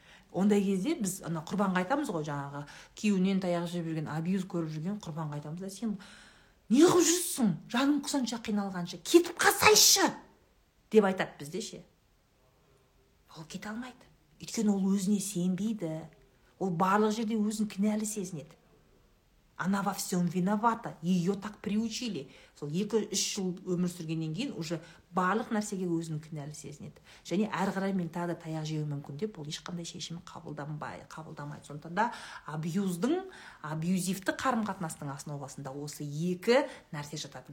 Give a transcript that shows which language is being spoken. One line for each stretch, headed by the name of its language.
Kazakh: Ондай кезде біз ана құрбанға айтамыз ғой, жаңағы күйеуінен таяқ жеп жүрген, абьюз көріп жүрген құрбанға айтамыз да, сен не қылып жүрсің? Жаның құсанша қиналғанша кетіп қалсайшы, деп айтады бізде ше. Ол кете алмайды. Өйткені ол өзіне сенбейді. Ол барлық жерде өзін кінәлі сезінеді.
Russian: Она во всем виновата, ее так приучили.
Kazakh: Сол 2-3 жыл өмір сүргеннен кейін уже барлық нәрсеге өзін кінәлі сезінеді. Және әрі қарай мен тағы да таяқ жеуім мүмкін деп, ол ешқандай шешім қабылдамайды. Сондықтан да абьюздің, абьюзивті қарым-қатынастың основасында осы екі нәрсе жатады.